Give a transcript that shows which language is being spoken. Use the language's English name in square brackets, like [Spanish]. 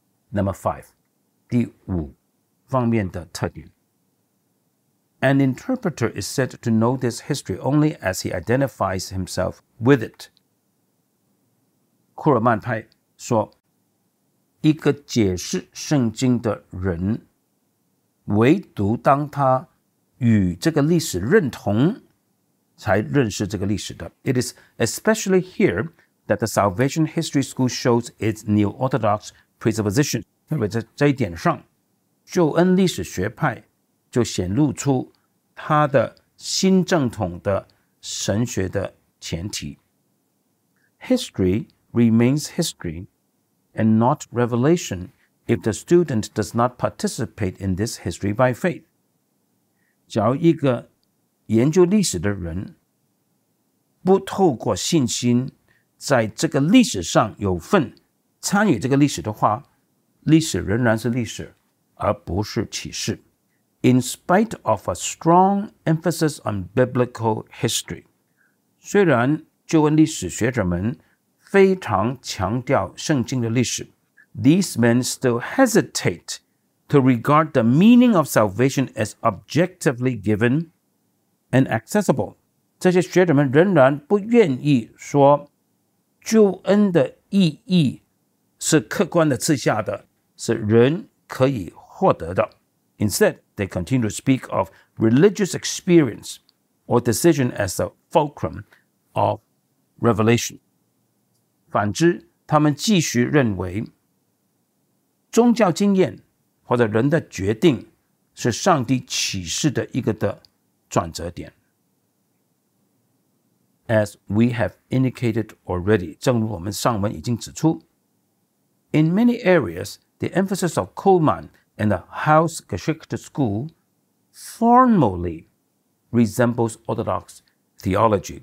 [English] Number five [Chinese] 第五方面的特点 [English] An interpreter is said to know this history only as he identifies himself with it. [Chinese] 库尔曼派说，一个解释圣经的人，唯独当他与这个历史认同，才认识这个历史的。 [English] It is especially here that the Salvation History School shows its neo-orthodox presupposition. [Chinese] 特别在这一点上，救恩历史学派就显露出他的新正统的神学的前提。 [English] History remains history and not revelation if the student does not participate in this history by faith. [Chinese] 假如一个研究历史的人不透过信心在这个历史上有份参与这个历史的话，历史仍然是历史，而不是启示。 [English] In spite of a strong emphasis on biblical history, [Chinese] 虽然旧恩历史学者们非常强调圣经的历史， [English] these men still hesitate to regard the meaning of salvation as objectively given and accessible. [Chinese] 这些学者们仍然不愿意说救恩的意义是客观的赐下的，是人可以获得的。 [English] Instead, they continue to speak of religious experience or decision as the fulcrum of revelation. [Chinese] 反之，他们继续认为宗教经验或者人的决定是上帝启示的一个的转折点。 [English] As we have indicated already, [Chinese] 正如我们上文已经指出， [English] In many areas, the emphasis of Kuhlmann and the Hausgeschichte school formally resembles Orthodox theology.